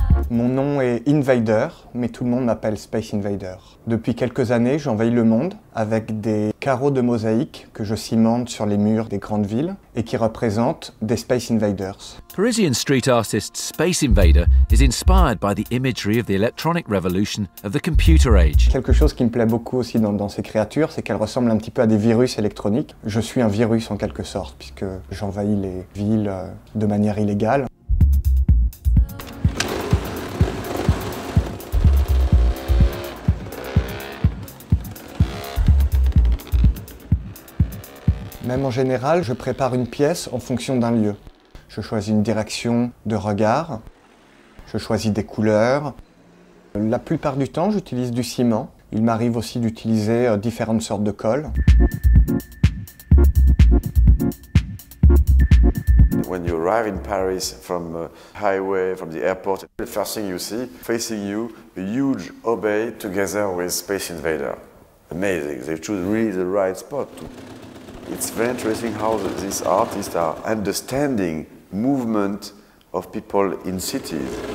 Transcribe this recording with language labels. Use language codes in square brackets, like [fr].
[fr] nom est Invader, mais tout le monde m'appelle Space Invader. Depuis quelques années, j'envahis le monde avec des carreaux de mosaïque que je cimente sur les murs des grandes villes et qui représentent des Space Invaders. [en] Parisian street artist Space Invader is inspired by the imagery of the electronic revolution of the computer age. [fr] Quelque chose qui me plaît beaucoup aussi dans ces créatures, c'est qu'elles ressemblent un petit peu à des virus électroniques. Je suis un virus en quelque sorte, puisque j'envahis les villes de manière illégale. Même en général, je prépare une pièce en fonction d'un lieu. Je choisis une direction de regard, je choisis des couleurs. La plupart du temps, j'utilise du ciment. Il m'arrive aussi d'utiliser différentes sortes de colle. [en] When you arrive in Paris from the highway, from the airport, the first thing you see, facing you, a huge obey together with Space Invader. Amazing, they choose really the right spot to. It's very interesting how these artists are understanding movement of people in cities.